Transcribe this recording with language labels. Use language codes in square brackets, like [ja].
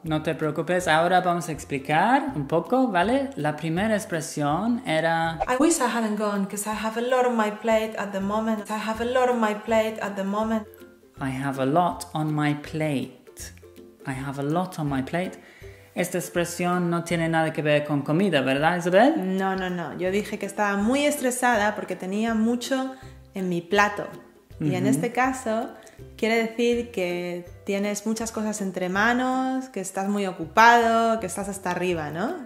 [es] No te preocupes, ahora vamos a explicar un poco, ¿vale? La primera expresión era... [en] I wish I hadn't gone, because I have a lot on my plate at the moment. I have a lot on my plate at the moment. I have a lot on my plate. I have a lot on my plate. [es] Esta expresión no tiene nada que ver con comida, ¿verdad, Isabel? No, no, no. Yo dije que estaba muy estresada porque tenía mucho en mi plato. Y en este caso, quiere decir que tienes muchas cosas entre manos, que estás muy ocupado, que estás hasta arriba, ¿no?